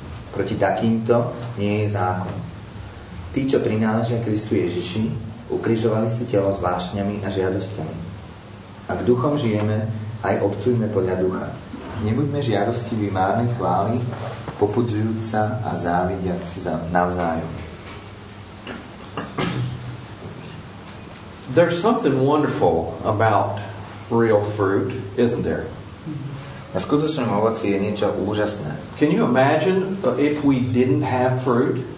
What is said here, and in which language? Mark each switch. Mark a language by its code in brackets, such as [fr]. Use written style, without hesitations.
[sk] Proti takýmto nie je zákon. Tí, čo prináležia Kristu Ježiši, ukrižovali si telo s vášňami a žiadosťami. Ak duchom žijeme, aj obcujme podľa ducha. Nebuďme žiadostiví márnej chvály, popudzujúca a závidiac sa navzájom. [en] There's something wonderful about real fruit, isn't there? [sk] Na skutočnom ovoci je niečo úžasné. [en] Can you imagine if we didn't have fruit?